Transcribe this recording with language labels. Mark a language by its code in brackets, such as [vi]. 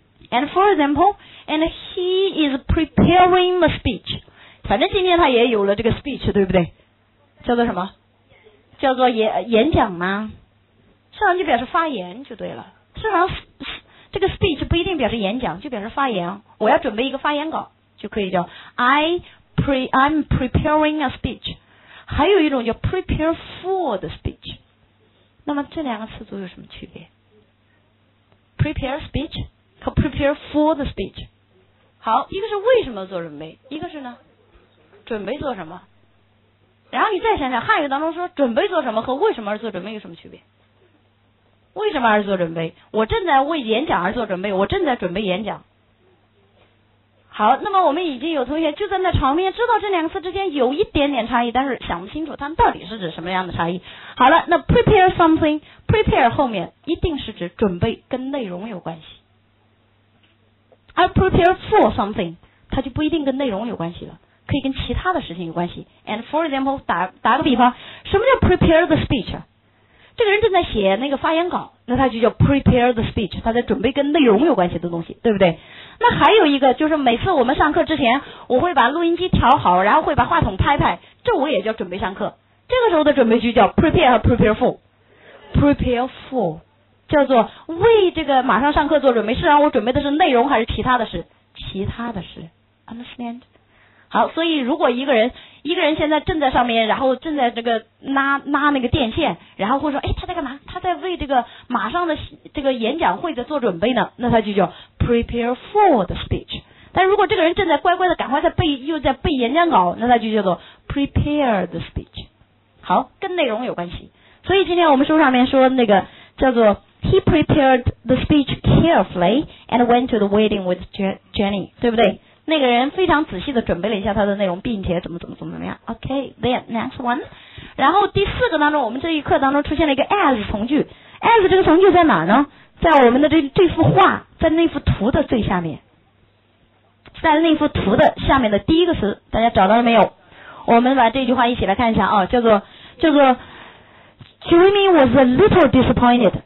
[en] And for example, and he is preparing the speech. [zh] 反正今天他也有了这个 speech, 对不对？叫做什么？叫做 演讲吗？实际上就表示发言就对了。实际上这个 speech 不一定表示演讲，就表示发言。我要准备一个发言稿，就可以叫 [en] I'm preparing a speech。 [zh] 还有一种叫 prepare for the speech。那么这两个词组有什么区别？ Prepare speech 和 prepare for the speech。好，一个是为什么做准备，一个是呢准备做什么。然后你再想想汉语当中说准备做什么和为什么而做准备有什么区别？为什么而做准备？我正在为演讲而做准备，我正在准备演讲。好，那么我们已经有同学就在那场面知道这两个词之间有一点点差异，但是想不清楚它到底是指什么样的差异。好了，那 prepare something, prepare 后面一定是指准备跟内容有关系。而 prepare for something, 它就不一定跟内容有关系了，可以跟其他的事情有关系。 [en] And for example, [zh] 打个比方，什么叫 prepare the speech? 这个人正在写那个发言稿，那他就叫 prepare the speech, 他在准备跟内容有关系的东西，对不对？那还有一个就是每次我们上课之前我会把录音机调好，然后会把话筒拍拍，这我也叫准备上课。这个时候的准备句叫 prepare 和 prepare for。prepare for 叫做为这个马上上课做准备，是让我准备的是内容还是其他的事？其他的事。 [en] understand? [zh] 好，所以如果一个人现在正在上面，然后正在这个拉那个电线，然后会说，哎，他在干嘛？他在为这个马上的这个演讲会的做准备呢，那他就叫 prepare for the speech。但如果这个人正在乖乖的赶快在背演讲稿，那他就叫做 prepare the speech。好，跟内容有关系。所以今天我们书上面说那个叫做 [en] he prepared the speech carefully and went to the wedding with Jenny, [zh] 对不对？那个人非常仔细地准备了一下他的内容，并且怎么样。 [en] OK, then, next one. [zh] 然后第四个当中，我们这一课当中出现了一个 as 从句。 as 这个从句在哪呢？在我们的这幅画，在那幅图的最下面。在那幅图的下面的第一个词，大家找到了没有？我们把这句话一起来看一下啊，叫做 [en] Jimmy was a little disappointed.